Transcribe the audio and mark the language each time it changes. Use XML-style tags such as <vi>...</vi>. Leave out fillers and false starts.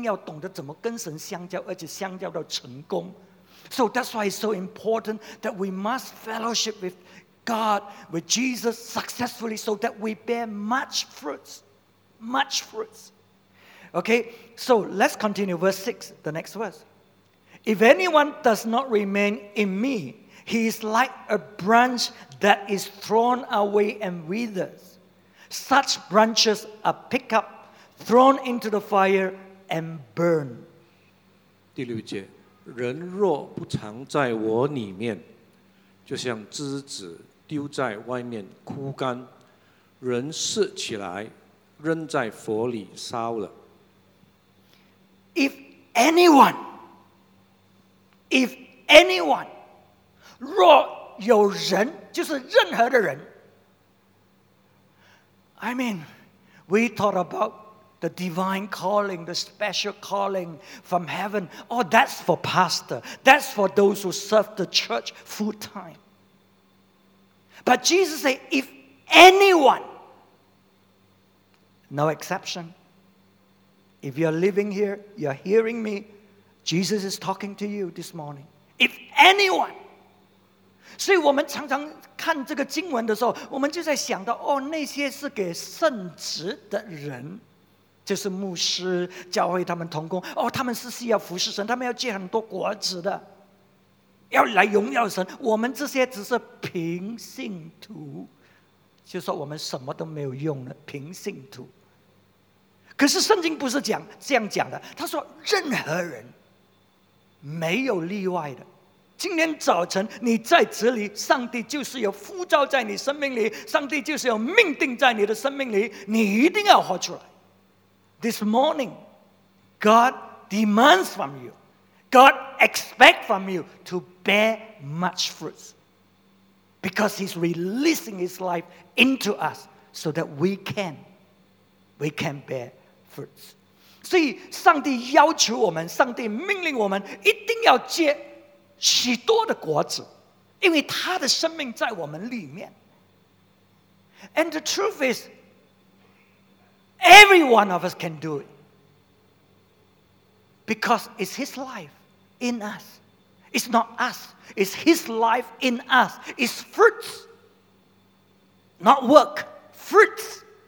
<zh>真正的我们在这个世上的目的，所以我们无论多成功在这个世界上，最终我们是零蛋，最终我们是最糟糕的人。等一下，你从那个经文你可以看见耶稣讲的话的意思。所以很重要，我们一定要懂得怎么跟神相交，而且相交到成功。</zh> <en>So that's why it's so important that we must fellowship with God, with Jesus successfully, so that we bear much fruits. Much fruits. Okay, so let's continue. Verse 6, the next verse. If anyone does not remain in me, he is like a branch that is thrown away and withers. Such branches are picked up, thrown into the fire, and burned.</en> <zh>第六节, 人若不常在我里面, 就像枝子丢在外面枯干, 人拾起来, 扔在火里烧了。If</zh> <en>anyone, if anyone,</en> <zh>若有人, 就是任何的人,</zh> <en>I mean, we thought about the divine calling, the special calling from heaven. Oh, that's for pastor. That's for those who serve the church full time. But Jesus said, if anyone, no exception. If you are living here, you are hearing me. Jesus is talking to you this morning. If anyone.</en> <zh>所以我们常常看这个经文的时候，我们就在想到，哦，那些是给圣职的人，就是牧师、教会他们同工，哦，他们是需要服侍神，他们要借很多果子的，要来荣耀神。我们这些只是平信徒，就说我们什么都没有用的平信徒。可是圣经不是讲这样讲的，他说任何人没有例外的。今天早晨你在这里，上帝就是有呼召在你生命里，上帝就是有命定在你的生命里，你一定要活出来。</zh> <en>This morning God demands from you, God expects from you to bear much fruit, because he's releasing his life into us so that we can bear fruit.</en> <zh>所以上帝要求我们，上帝命令我们一定要结许多的果子，因为他的生命在我们里面。</zh> <en>And the truth is, every one of us can do it, because it's his life in us. It's not us, it's his life in us. It's fruits, not work, fruits.</en>